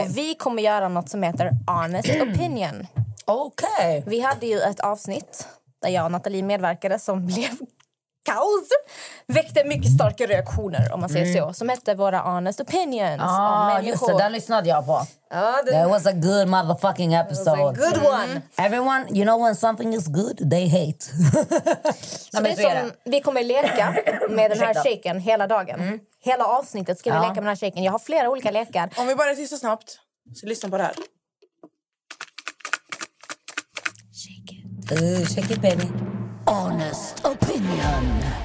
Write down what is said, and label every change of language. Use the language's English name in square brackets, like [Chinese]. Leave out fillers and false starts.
[Swedish] Och vi kommer att göra något som heter Honest Opinion. Okej. Okay. Vi hade ju ett avsnitt där jag och Nathalie medverkade som blev kaos. Väckte mycket starka reaktioner, om man säger så. Som hette våra Honest Opinions. Ja, just det. Den lyssnade jag på. [English] That was a good motherfucking episode. It was a good one. Everyone, you know when something is good, they hate. [Swedish] Så det är som, vi kommer leka med den här shaken hela dagen. Mm. Hela avsnittet ska vi leka med den här shaken. Jag har flera olika lekar. Om vi bara tittar snabbt, så lyssna på det här. [English] Shake it, baby. Honest opinion.